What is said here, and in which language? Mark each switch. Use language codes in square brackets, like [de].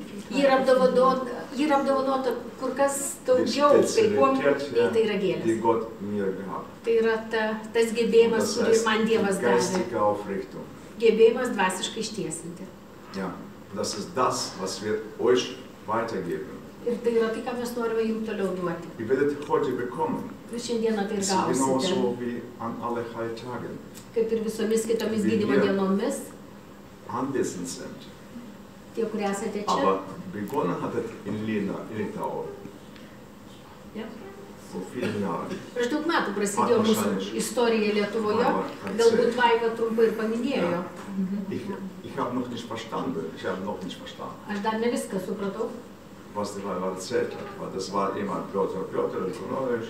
[lt] Ji yra apdovanota kur kas daugiau, kai kuom tai yra gėlės. Tai yra tas gebėjimas, kurį man Dievas davė. Gebėjimas dvasiškai ištiesinti. [de] Ja, das ist das, was wir euch weitergeben. [lt] Ir tai yra tai, ką mes norime jums toliau duoti. [de] Ihr werdet heute bekommen. [lt] Jūs šiandieną tai ir gausite. Kaip ir visomis kitomis gydymo dienomis. [de] Anwesend sind. [lt] Tie, kurie esate čia. [de] Aber begonnen hat es in Lina, in Litauen. Ja. Vor vielen Jahren. [lt] Prieš daug metų prasidėjo mūsų istorija Lietuvoje. Galbūt Vaiva trumpai ir paminėjo. [de] Ja. Ich habe noch nicht verstanden. [lt] Aš dar ne viską supratau. [de] Was die Weiber erzählt hat, weil das war immer Piotr Alkunovič.